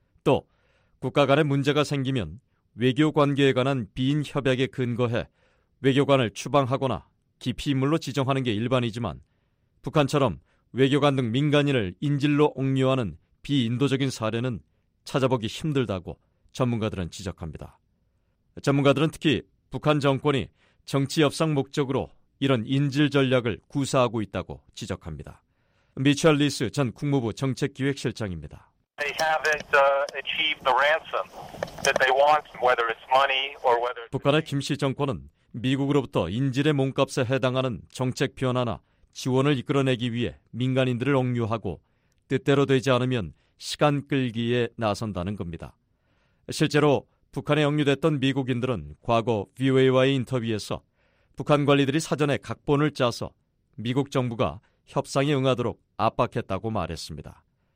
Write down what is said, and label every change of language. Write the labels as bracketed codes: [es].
[ko] 또 국가 간에 문제가 생기면 외교 관계에 관한 빈 협약에 근거해 외교관을 추방하거나 기피 인물로 지정하는 게 일반이지만 북한처럼 외교관 등 민간인을 인질로 억류하는 비인도적인 사례는 찾아보기 힘들다고 전문가들은 지적합니다. 전문가들은 특히 북한 정권이 정치 협상 목적으로 이런 인질 전략을 구사하고 있다고 지적합니다. 미첼 리스 전 국무부 정책기획실장입니다. [en] They haven't achieved the ransom that they want, whether it's money or whether it's... [ko] 북한의 김 씨 정권은 미국으로부터 인질의 몸값에 해당하는 정책 변화나 지원을 이끌어내기 위해 민간인들을 억류하고 뜻대로 되지 않으면 시간 끌기에 나선다는 겁니다. 실제로 북한에 억류됐던 미국인들은 과거 VOA와의 인터뷰에서 북한 관리들이 사전에 각본을 짜서 미국 정부가 협상에 응하도록 압박했다고 말했습니다.